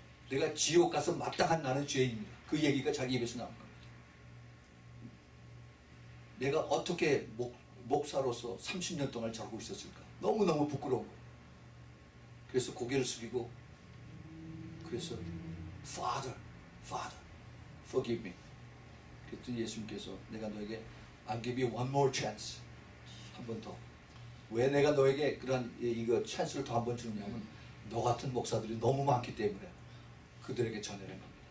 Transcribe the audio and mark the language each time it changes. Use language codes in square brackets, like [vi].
[ko] 내가 지옥 가서 마땅한 나는 죄인입니다. 그 얘기가 자기 입에서 나온 겁니다. 내가 어떻게 목사로서 30년 동안 자고 있었을까? 너무너무 부끄러운 거예요. 그래서 고개를 숙이고 그래서 [en] Father, Father, forgive me. 그랬더니 예수님께서 [ko] 내가 너에게 [en] I'll give you one more chance. [ko] 한 번 더. 왜 내가 너에게 그런 이거 찬스를 더 한 번 주느냐 하면 너 같은 목사들이 너무 많기 때문에 그들에게 전해라 합니다.